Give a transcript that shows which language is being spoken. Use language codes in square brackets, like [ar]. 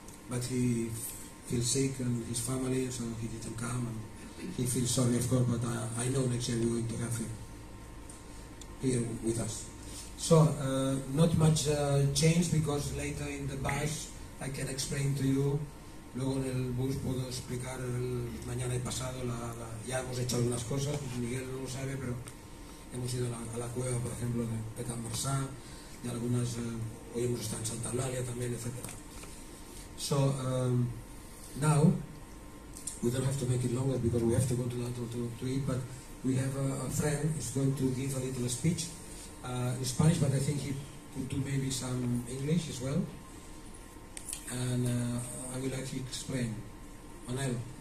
[en] But he feels sick, and his family, so he didn't come. And he feels sorry, of course, but I know next year we're going to have him here with us. So, not much change, because later in the bus, I can explain to you. [es] Luego en el bus puedo explicar el mañana y pasado, ya hemos hecho algunas cosas, Miguel no lo sabe, pero hemos ido a la cueva, por ejemplo, de Petit Marsá, y algunas, hoy hemos estado en Santa Eulalia también, etc. [en] So, now, we don't have to make it longer, because we have to go to the hotel to eat, but we have a friend who's going to give a little speech in Spanish, but I think he could do maybe some English as well. And I would like to explain. Manel,